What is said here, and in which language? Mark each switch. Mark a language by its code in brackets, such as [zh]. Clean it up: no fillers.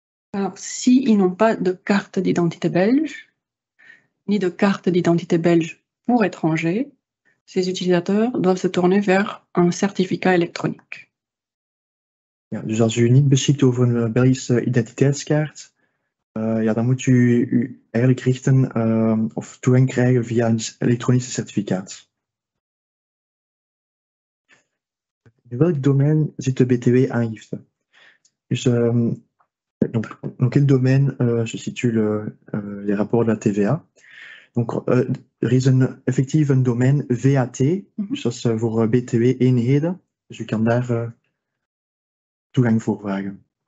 [fr] Alors, si ils n'ont pas de carte d'identité belge, ni de carte d'identité belge pour étrangers, ces utilisateurs doivent se tourner vers un certificat électronique. [nl] Ja, dus als u niet beschikt over een Belgische identiteitskaart. Ja, dan moet u eigenlijk richten of toegang krijgen via een elektronische certificaat. In welk domein zit de BTW-aangifte? [fr] Dus dans quel domaine se situent les rapports de la TVA? [nl] Er is effectief [fr] un domaine [nl] VAT, dus dat is voor BTW-eenheden. Dus u kan daar toegang voor vragen.